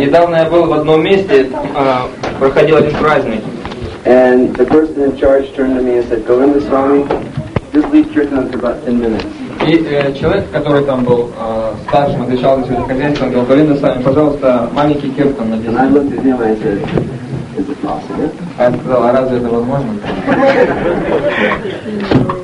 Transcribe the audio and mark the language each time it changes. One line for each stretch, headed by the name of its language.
Russian: Недавно я был в одном месте, проходил один праздник.
English: And the person in charge turned to me and said, Govinda Swami, just leave kirtan for about 10 minutes.
Russian: И человек, который там был старшим, отвечал на сегодня хозяйство, он говорил, Говинда Свами, пожалуйста, маленький киртан на 10 минут. А я сказал, а разве это возможно?